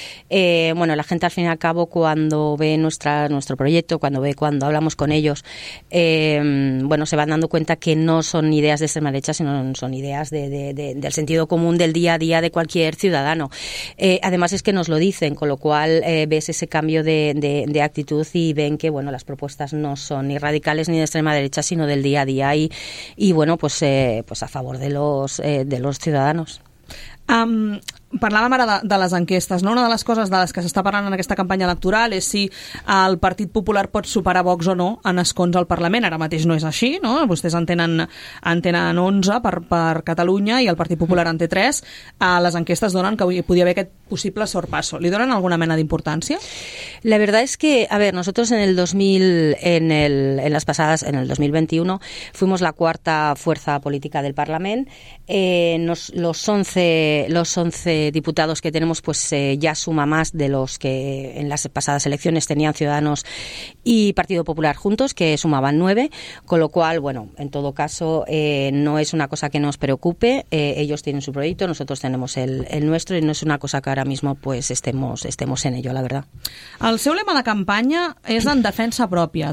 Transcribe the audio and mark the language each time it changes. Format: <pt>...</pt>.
<es>La gente al fin y al cabo cuando ve nuestro proyecto, cuando hablamos con ellos, se van dando cuenta que no son ideas de extrema derecha, sino son ideas del sentido común del día a día de cualquier ciudadano. Además es que nos lo dicen, con lo cual ves ese cambio de actitud y ven que las propuestas no son ni radicales ni de extrema derecha, sino del día a día. Y a favor de los ciudadanos.</es> <ca>Parlàvem ara de les enquestes, no? Una de les coses de les que s'està parlant en aquesta campanya electoral és si el Partit Popular pot superar Vox o no en escons al Parlament. Ara mateix no és així, no? Vostès en tenen 11 per Catalunya i el Partit Popular en té 3. Les enquestes donen que podia haver aquest possible sorpasso. Li donen alguna mena d'importància?</ca> <es>La verdad es que, a ver, nosotros en el 2000, en el 2021, fuimos la cuarta fuerza política del Parlament. Los 11 diputados que tenemos ya suma más de los que en las pasadas elecciones tenían Ciudadanos y Partido Popular juntos, que sumaban 9, con lo cual, en todo caso no es una cosa que nos preocupe. Ellos tienen su proyecto, nosotros tenemos el nuestro y no es una cosa que ahora mismo estemos en ello, la verdad.</es> <ca>El seu lema de campanya és en defensa pròpia.</ca>